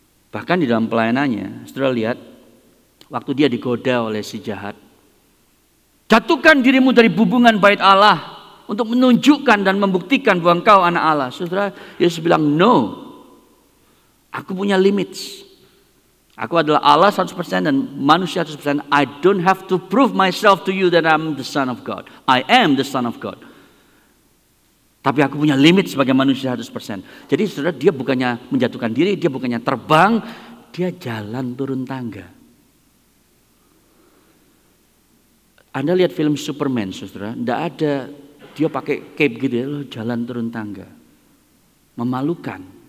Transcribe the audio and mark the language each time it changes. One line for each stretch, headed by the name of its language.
Indonesian: Bahkan di dalam pelayanannya, Saudara lihat waktu dia digoda oleh si jahat, jatuhkan dirimu dari bubungan bait Allah untuk menunjukkan dan membuktikan bahwa engkau anak Allah. Saudara, Yesus bilang, no, aku punya limits. Aku adalah Allah 100% dan manusia 100%.
English: I don't have to prove myself to you that I'm the son of God. I am the son of God.
Indonesian: Tapi aku punya limits sebagai manusia 100%. Jadi saudara, dia bukannya menjatuhkan diri, dia bukannya terbang, dia jalan turun tangga. Anda lihat film Superman, saudara, tidak ada dia pakai cape gitu ya, jalan turun tangga. Memalukan.